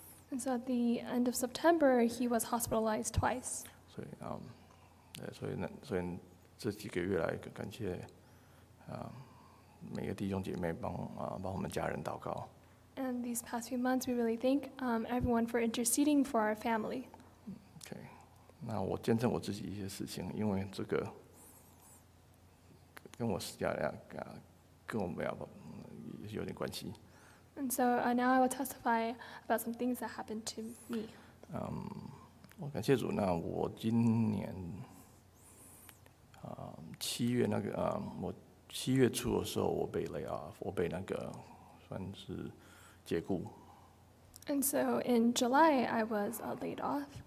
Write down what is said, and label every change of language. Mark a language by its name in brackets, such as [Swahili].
[English] And so at the end of September, he was hospitalized twice. [Chinese] 所以所以这几个月来感谢每个弟兄姐妹帮我们家人祷告。 [English] And these past few months, we really thank everyone for interceding for our family. [Chinese] Okay, 那我见证我自己一些事情，因为这个跟我家人跟我们也有点关系。 [English] And so now I will testify about some things that happened to me. [Chinese] 我感谢主。那我今年七月那个我七月初的时候我被 [English] lay off， [Chinese] 我被那个算是解雇。 [English] And so in July I was laid off.